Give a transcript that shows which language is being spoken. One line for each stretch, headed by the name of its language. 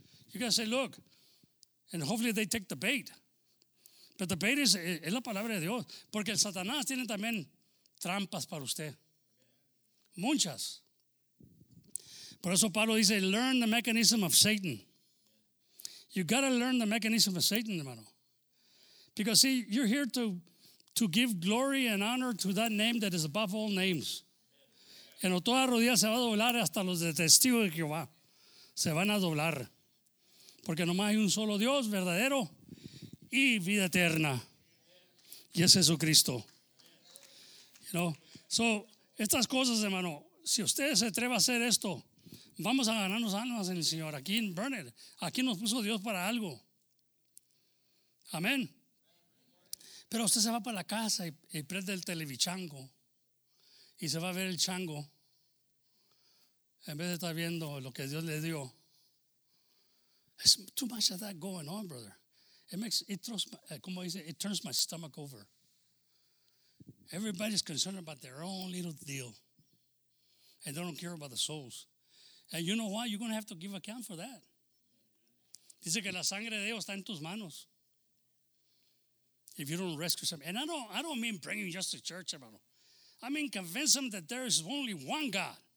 English: You got to say, look, and hopefully they take the bait. But the bait is
Spanish: la palabra de Dios. Porque el Satanás tiene también trampas para usted. Muchas. Por eso Pablo dice,
English: learn the mechanism of Satan. You got to learn the mechanism of Satan, hermano. Because see, you're here to give glory and honor to that name that is above all names.
Spanish: En toda rodilla se va a doblar hasta los de testigo de Jehová. Se van a doblar. Porque nomás hay un solo Dios verdadero y vida eterna. Y es Jesucristo.
English: You know?
Spanish: So, estas cosas, hermano, si usted se atreve a hacer esto, vamos a ganarnos almas en el Señor. Aquí en Burnet, aquí nos puso Dios para algo. Amén. Pero usted se va para la casa y prende el televichango. Y se va a ver el chango en vez de estar viendo lo que Dios le dio.
English: It's too much of that going on, brother. It turns my stomach over. Everybody's concerned about their own little deal. And they don't care about the souls. And you know why? You're going to have to give account for that.
Spanish: Dice que la sangre de Dios está en tus manos.
English: If you don't rescue something. And I don't mean bringing just to church, hermano. I mean, convince them that there is only one God.